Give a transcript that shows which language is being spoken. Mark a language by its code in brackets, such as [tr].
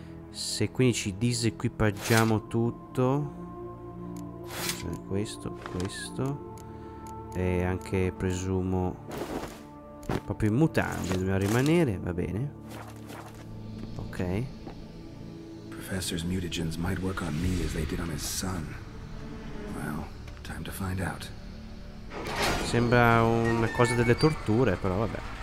[it] Se quindi ci disequipaggiamo tutto. Cioè questo, questo. E anche, presumo, proprio in mutande dobbiamo rimanere, va bene. Ok. [en] Professor's mutagens might work on me as they did on his son. Well, time to find out. [it] Sembra una cosa delle torture, però vabbè.